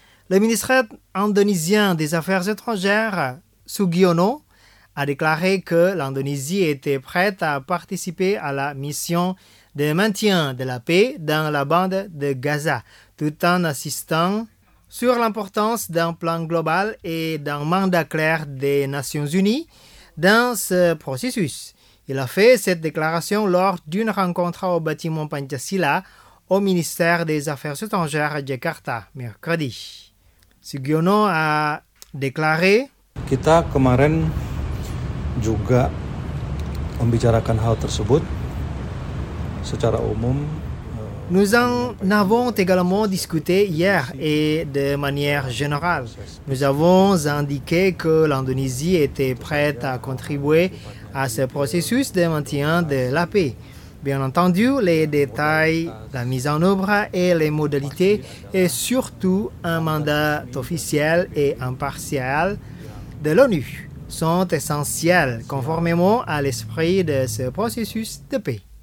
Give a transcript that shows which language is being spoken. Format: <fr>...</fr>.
<fr>Le ministre indonésien des Affaires étrangères, Sugiono, a déclaré que l'Indonésie était prête à participer à la mission de maintien de la paix dans la bande de Gaza, tout en insistant sur l'importance d'un plan global et d'un mandat clair des Nations Unies dans ce processus. Il a fait cette déclaration lors d'une rencontre au bâtiment Pancasila au ministère des Affaires étrangères à Jakarta, mercredi. Sugiono a déclaré:</fr> <id>Kita kemarin juga membicarakan hal tersebut secara umum.</id> <fr>Nous en avons également discuté hier et de manière générale. Nous avons indiqué que l'Indonésie était prête à contribuer à ce processus de maintien de la paix. Bien entendu, les détails, la mise en œuvre et les modalités et surtout un mandat officiel et impartial de l'ONU sont essentiels conformément à l'esprit de ce processus de paix.</fr>